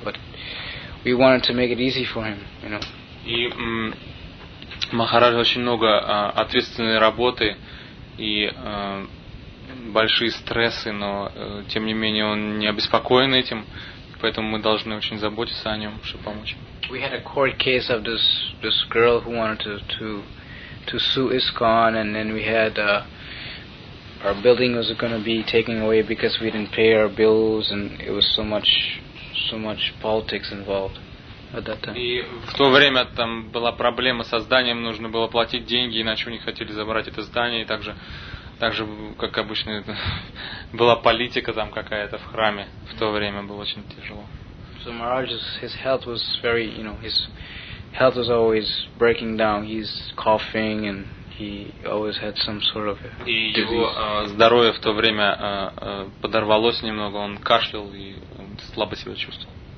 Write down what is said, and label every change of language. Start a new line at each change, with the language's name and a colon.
English: But we wanted to make it easy for him, you know.
Russian: Махарадж очень много ответственной работы и большие стрессы, но тем не менее он не обеспокоен этим, поэтому мы должны очень заботиться о нем, чтобы помочь.
English: We had a court case of this girl who wanted to sue ISKCON, and then we had our building was going to be taken away because we didn't pay our bills, and it was so much politics involved.
Russian: И в то время там была проблема со зданием, нужно было платить деньги, иначе они хотели забрать это здание, и также как обычно, была политика там какая-то в храме. В то время было очень тяжело.
English: So Maharaj's his health was very, you know, his health was always breaking down. He's coughing and he always had some sort of disease.
Russian: И его здоровье в то время подорвалось немного, он кашлял и слабо себя чувствовал.